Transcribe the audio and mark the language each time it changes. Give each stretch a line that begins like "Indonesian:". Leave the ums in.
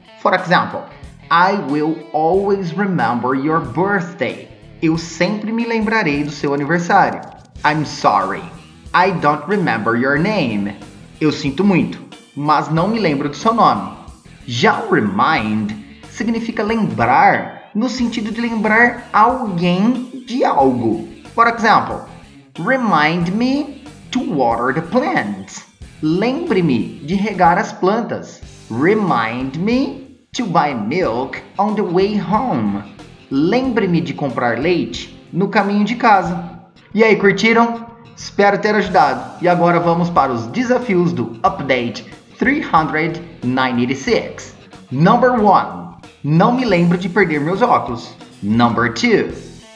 English: For example, I will always remember your birthday.
Portuguese: Eu sempre me lembrarei do seu aniversário.
English: I'm sorry. I don't remember your name.
Portuguese: Eu sinto muito mas não me lembro do seu nome. Já remind significa lembrar, no sentido de lembrar alguém de algo.
English: For example, remind me to water the plants.
Portuguese: Lembre-me de regar as plantas.
English: Remind me to buy milk on the way home.
Portuguese: Lembre-me de comprar leite no caminho de casa. E aí, curtiram? Espero ter ajudado. E agora vamos para os desafios do update 396.
English: Number 1.
Portuguese: Não me lembro de perder meus óculos.
English: Number 2.